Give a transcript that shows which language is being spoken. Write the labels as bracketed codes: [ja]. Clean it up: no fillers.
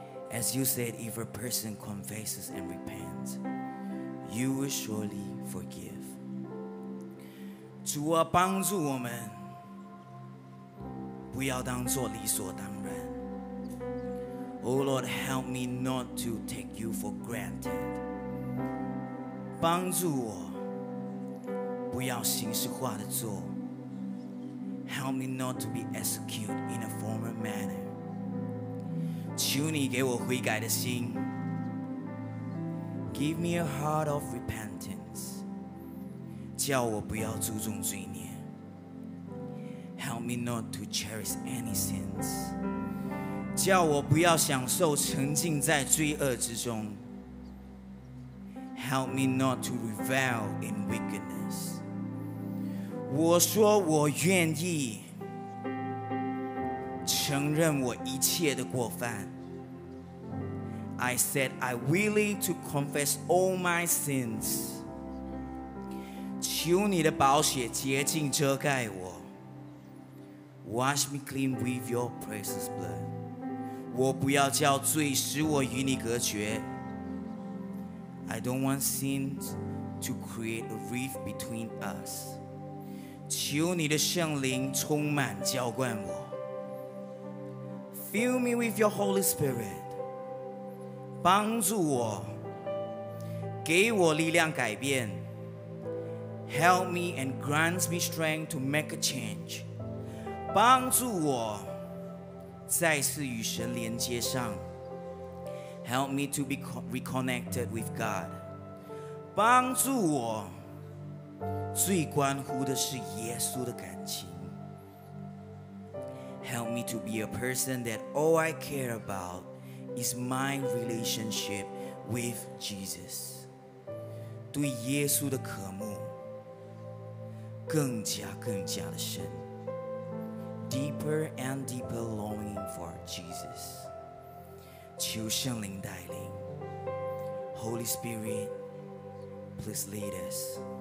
[en] As you said, if a person confesses and repents, you will surely forgive. [zh] 主啊，帮助我们不要当作理所当然。 [en] Oh Lord, help me not to take you for granted. [zh] 帮助我不要形式化的做。 [en] Help me not to be executed in a former manner. [zh] 求你给我悔改的心。 [en] Give me a heart of repentance. [zh] 叫我不要注重罪孽。 [en] Help me not to cherish any sins. [zh] 叫我不要享受沉浸在罪恶之中。 [en] Help me not to revel in wickedness. [zh] 我说我愿意承认我一切的过犯。 [en] I said I willing to confess all my sins. [zh] 求你的宝血洁净遮盖我。 [en] Wash me clean with your precious blood. [zh] 我不要叫罪使我与你隔绝。 [en] I don't want sin to create a rift between us. [zh] 求你的圣灵充满浇灌我。 [en] Fill me with your Holy Spirit. [zh] 帮助我，给我力量改变。 [en] Help me and grant me strength to make a change. [zh] 帮助我再次与神连接上。 [en] Help me to be reconnected with God. [zh] 帮助我，最关乎的是耶稣的感情。 [en] Help me to be a person that all I care about is my relationship with Jesus. [zh] 对耶稣的渴慕更加更加的深。 [en] Deeper and deeper longing for Jesus. [zh] 求圣灵带领。 [en] Holy Spirit, please lead us.